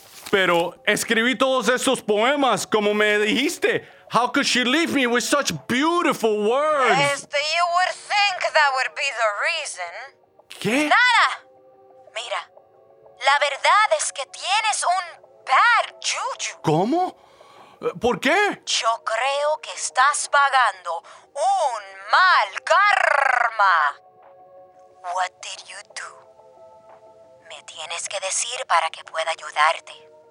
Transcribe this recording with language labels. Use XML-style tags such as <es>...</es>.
<es>Pero escribí todos esos poemas, como me dijiste.</es> <en>How could she leave me with such beautiful words? You would think that would be the reason.</en> <es>¿Qué? ¡Nada! Mira, la verdad es que tienes un</es> <en>bad juju.</en> <es>¿Cómo? ¿Por qué? Yo creo que estás pagando un mal karma.</es> <en>What did you do?</en> <es>Me tienes que decir para que pueda ayudarte.</es>